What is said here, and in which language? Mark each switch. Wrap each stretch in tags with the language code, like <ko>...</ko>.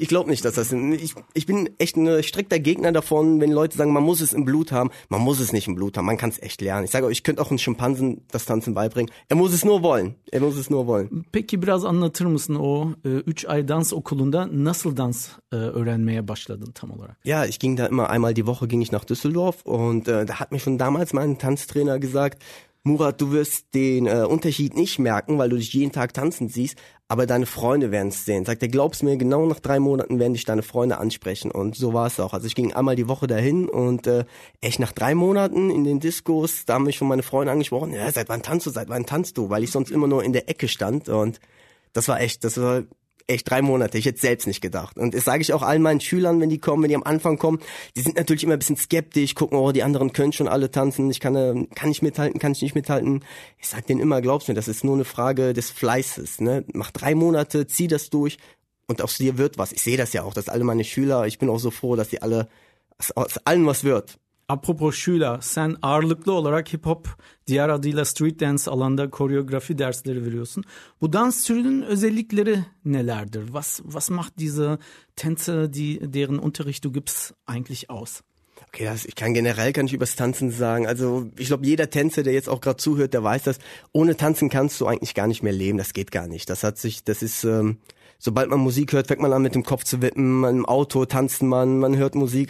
<de>Ich glaube nicht, dass das... Ich bin echt ein strikter Gegner davon, wenn Leute sagen, man muss es im Blut haben. Man muss es nicht im Blut haben, man kann es echt lernen. Ich sage euch, ich könnte auch einen Schimpansen das Tanzen beibringen. Er muss es nur wollen. Er muss es nur wollen.</de> <tr>Peki, biraz anlatır mısın o 3 ay dans okulunda nasıl dans öğrenmeye başladın tam olarak?</tr> <de>Ja, ich ging da immer einmal die Woche ging ich nach Düsseldorf und da hat mir schon damals mein Tanztrainer gesagt, Murat, du wirst den Unterschied nicht merken, weil du dich jeden Tag tanzen siehst, aber deine Freunde werden es sehen. Sagt er, glaubst mir, genau nach 3 Monaten werden dich deine Freunde ansprechen. Und so war es auch. Also ich ging einmal die Woche dahin und echt nach 3 Monaten in den Discos, da haben mich schon meine Freunde angesprochen, ja, seit wann tanzt du? Weil ich sonst immer nur in der Ecke stand. Und das war echt 3 Monate. Ich hätte selbst nicht gedacht. Und das sage ich auch allen meinen Schülern, wenn die kommen, wenn die am Anfang kommen. Die sind natürlich immer ein bisschen skeptisch, gucken, oh, die anderen können schon alle tanzen. Ich kann nicht mithalten, kann ich nicht mithalten. Ich sage denen immer, glaubst du mir, das ist nur eine Frage des Fleißes, ne? Mach 3 Monate, zieh das durch und aus dir wird was. Ich sehe das ja auch, dass alle meine Schüler, ich bin auch so froh, dass die alle, aus allen was wird. Apropos Schüler,</de> <tr>sen ağırlıklı olarak Hip-Hop, diğer adıyla Street Dance alanda koreografi dersleri veriyorsun. Bu dans türünün özellikleri nelerdir?</tr> <de>Was macht diese Tänze, deren Unterricht du gibst, eigentlich aus? Okay, ich kann generell nicht über das Tanzen sagen. Also ich glaube, jeder Tänzer, der jetzt auch gerade zuhört, der weiß das. Ohne Tanzen kannst du eigentlich gar nicht mehr leben. Das geht gar nicht. Sobald man Musik hört, fängt man an mit dem Kopf zu wippen, im Auto tanzt man hört Musik.</de>